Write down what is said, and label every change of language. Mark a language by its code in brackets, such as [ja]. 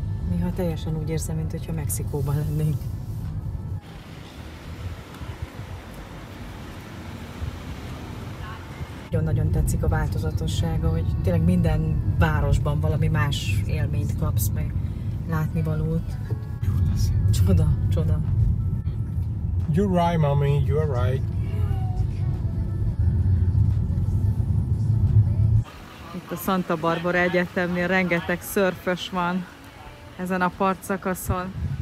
[hu] Néha teljesen úgy érzem, mintha Mexikóban lennénk. Nagyon tetszik a változatossága, hogy tényleg minden városban valami más élményt kapsz, meg látnivalót. Csoda, csoda. [en] You're right, mommy, you're right. [hu] Itt a Santa Barbara Egyetemnél rengeteg szörfös van ezen a partszakaszon.